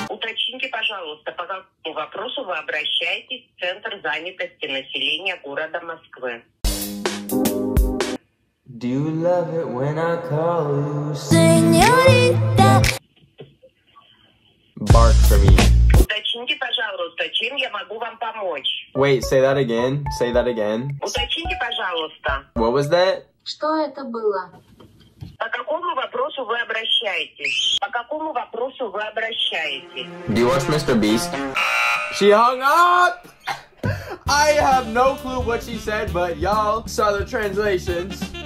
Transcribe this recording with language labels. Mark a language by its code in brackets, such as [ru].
[ru] Уточните, пожалуйста, по какому вопросу вы обращаетесь в центр занятости населения города Москвы. [en] Do you love it when I call you, senorita? Bark for me. [ru] Уточните, пожалуйста, чем я могу вам помочь? [en] Wait, say that again. Say that again. [ru] Уточните, пожалуйста. [en] What was that? [ru] Что это было? По какому вопросу вы обращаетесь? По какому вопросу вы обращаетесь? [en] Do you watch Mr. Beast? She hung up! I have no clue what she said, but y'all saw the translations.